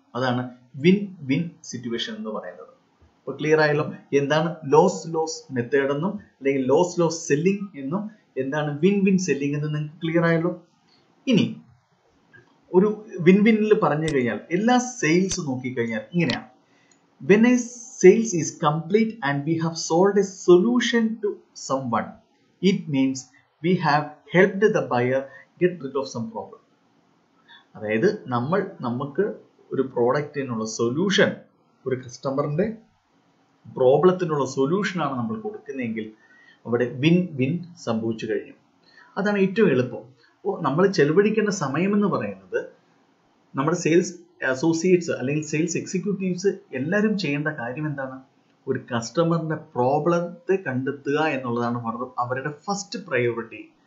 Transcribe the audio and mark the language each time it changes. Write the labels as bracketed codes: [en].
[ml] അതാണ് win win situation എന്ന് പറയുന്നത്. അപ്പോൾ ക്ലിയർ ആയല്ലോ എന്താണ് ലോസ് ലോസ് മെത്തേഡ് എന്നും, അല്ലെങ്കിൽ ലോസ് ലോസ് സെല്ലിംഗ് എന്നും, എന്താണ് വിൻ വിൻ സെല്ലിംഗ് എന്നും നിങ്ങൾക്ക് ക്ലിയർ ആയല്ലോ. ഇനി ഒരു വിൻ വിന്നിൽ പറഞ്ഞു കഴിഞ്ഞാൽ, എല്ലാ സെയിൽസ് നോക്കിക്കഴിഞ്ഞാൽ ഇങ്ങനെയാണ്. [en] When a sales is complete and we have sold a solution to someone, it means we have helped the buyer get rid of some problem. [ml] അതായത് നമുക്ക് ഒരു പ്രോഡക്റ്റിനുള്ള സൊല്യൂഷൻ, ഒരു കസ്റ്റമറിൻ്റെ പ്രോബ്ലത്തിനുള്ള സൊല്യൂഷൻ ആണ് നമ്മൾ കൊടുക്കുന്നതെങ്കിൽ അവിടെ വിൻ വിൻ സംഭവിച്ചു കഴിഞ്ഞു. അതാണ് ഏറ്റവും എളുപ്പം. അപ്പോൾ നമ്മൾ ചെലവഴിക്കേണ്ട സമയമെന്ന് പറയുന്നത് നമ്മുടെ സെയിൽസ് അസോസിയേറ്റ്സ് അല്ലെങ്കിൽ സെയിൽസ് എക്സിക്യൂട്ടീവ്സ് എല്ലാവരും ചെയ്യേണ്ട കാര്യം എന്താണ്, ഒരു കസ്റ്റമറിൻ്റെ പ്രോബ്ലത്തെ കണ്ടെത്തുക എന്നുള്ളതാണ് അവരുടെ ഫസ്റ്റ് പ്രയോറിറ്റി.